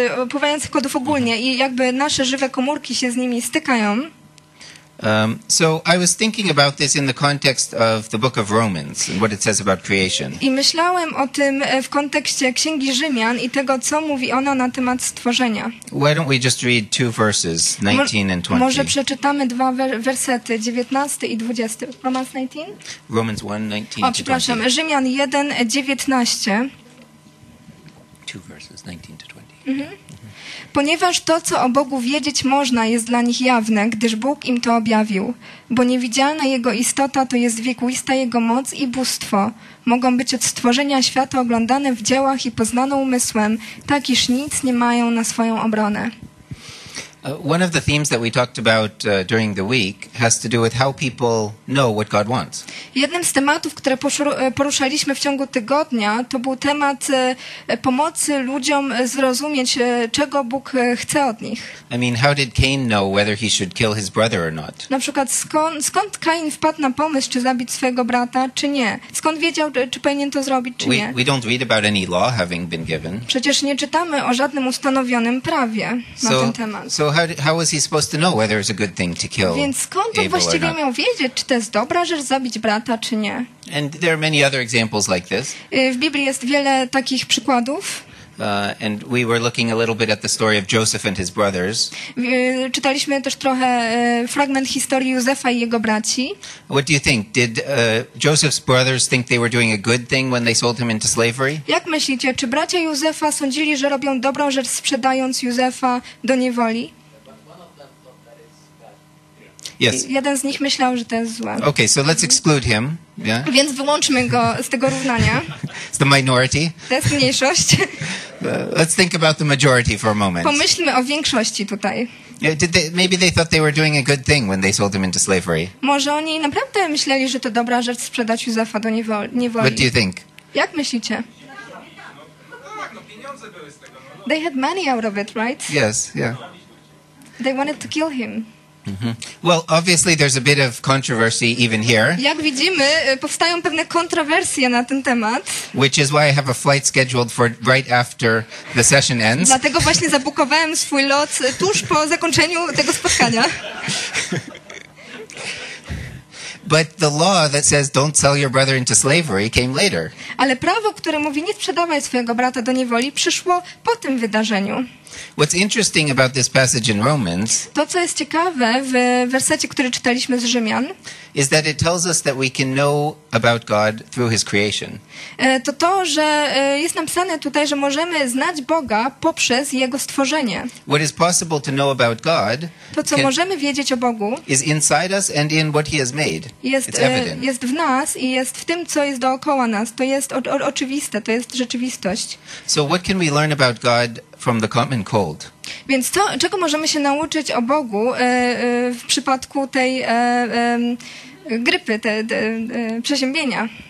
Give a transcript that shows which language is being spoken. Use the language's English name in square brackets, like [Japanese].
[Polish] Pływających kodów ogólnie i jakby nasze żywe komórki się z nimi stykają. [English] So I was thinking about this in the context of the book of Romans and what it says about creation. [Polish] I myślałem o tym w kontekście Księgi Rzymian i tego, co mówi ona na temat stworzenia. [English] Why don't we just read two verses, 19 and 20? [Polish] Może przeczytamy dwa wersety, 19 i 20. [English] Romans 19? Romans 1, 19 to 20. [Polish] O, przepraszam, Rzymian 1, 19. [English] Two verses, 19 to 20. Mhm. [Polish] Ponieważ to, co o Bogu wiedzieć można, jest dla nich jawne, gdyż Bóg im to objawił. Bo niewidzialna Jego istota to jest wiekuista Jego moc i bóstwo. Mogą być od stworzenia świata oglądane w dziełach i poznane umysłem, tak iż nic nie mają na swoją obronę. [English] One of the themes that we talked about during the week has to do with how people know what God wants. [Polish] Jednym z tematów, które poruszaliśmy w ciągu tygodnia, to był temat pomocy ludziom zrozumieć, czego Bóg chce od nich. [English] I mean, how did Cain know whether he should kill his brother or not? [Polish] Na przykład, skąd Cain wpadł na pomysł, czy zabić swojego brata, czy nie? Skąd wiedział, czy powinien to zrobić, czy nie? [English] We don't read about any law having been given. [Polish] Przecież nie czytamy o żadnym ustanowionym prawie na ten temat. [English] So how was he supposed to know whether it's a good thing to kill? [Polish] Więc skąd on właściwie miał wiedzieć, czy to jest dobra rzecz zabić brata, czy nie? [English] And there are many other examples like this. [Polish] W Biblii jest wiele takich przykładów. [English] And we were looking a little bit at the story of Joseph and his brothers. [Polish] Czytaliśmy też trochę fragment historii Józefa i jego braci. [English] What do you think? Did Joseph's brothers think they were doing a good thing when they sold him into slavery? [Polish] Jak myślicie, czy bracia Józefa sądzili, że robią dobrą rzecz sprzedając Józefa do niewoli? [English] Yes. [Polish] Jeden z nich myślał, że to jest złe. [English] Okay, so let's exclude him. Yeah. [Polish] Więc wyłączmy go z tego równania. [English] It's the minority. [Polish] To jest mniejszość. [English] Let's think about the majority for a moment. [Polish] Pomyślmy o większości tutaj. [English] Yeah, did they, maybe they thought they were doing a good thing when they sold him into slavery. [Polish] Może oni naprawdę myśleli, że to dobra rzecz sprzedać Józefa do niewoli. [English] What do you think? [Polish] Jak myślicie? [English] They had money out of it, right? Yes, yeah. They wanted to kill him. Mm-hmm. Well, obviously there's a bit of controversy even here. [Polish] Jak widzimy, powstają pewne kontrowersje na ten temat. [English] Which is why I have a flight scheduled for right after the session ends. [Polish] Dlatego właśnie zabukowałem swój lot tuż po zakończeniu tego spotkania. [English] But the law that says don't sell your brother into slavery came later. [Polish] Ale prawo, które mówi nie sprzedawaj swojego brata do niewoli, przyszło po tym wydarzeniu. [English] What's interesting about this passage in Romans? [Polish] To co jest ciekawe w wersecie, który czytaliśmy z Rzymian, [English] is that it tells us that we can know about God through his creation. [Polish] To, że jest napisane tutaj, że możemy znać Boga poprzez jego stworzenie. [English] What is possible to know about God? [Polish] To co możemy wiedzieć o Bogu? [English] Is inside us and in what he has made. [Polish] Jest jest w nas i jest w tym, co jest dookoła nas. To jest oczywiste, to jest rzeczywistość. [English] So what can we learn about God from the common cold? [Polish] Więc to, czego możemy się nauczyć o Bogu w przypadku tej grypy, przeziębienia?